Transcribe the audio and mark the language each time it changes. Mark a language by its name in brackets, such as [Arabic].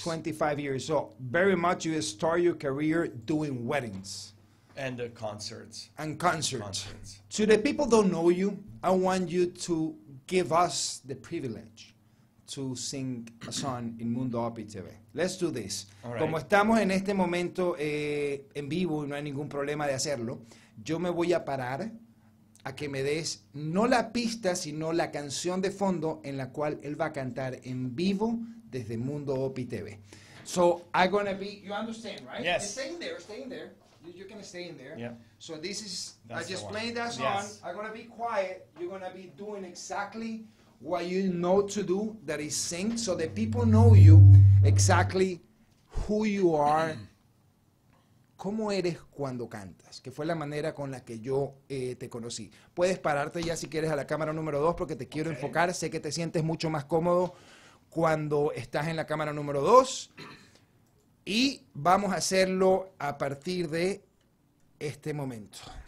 [English] 25 years. So very much you start your career doing weddings. And concerts. And concerts. So the people don't know you, I want you to give us the privilege to sing a song in Mundo Opi TV. Let's do this. All right. [Spanish] Como estamos en este momento en vivo y no hay ningún problema de hacerlo, yo me voy a parar a que me des no la pista, sino la canción de fondo en la cual él va a cantar en vivo desde Mundo Opi TV. [English] So I'm going to be, you understand, right? Yes. Stay in there. You can stay in there. Yeah. So this is, that's, I just played that song. Yes. I'm going to be quiet. You're going to be doing exactly what you know to do, that is sing, so that people know you exactly who you are. [Spanish] ¿Cómo eres cuando cantas? Que fue la manera con la que yo te conocí. Puedes pararte ya si quieres a la cámara número 2 porque te quiero enfocar. Sé que te sientes mucho más cómodo cuando estás en la cámara número 2. Y vamos a hacerlo a partir de este momento.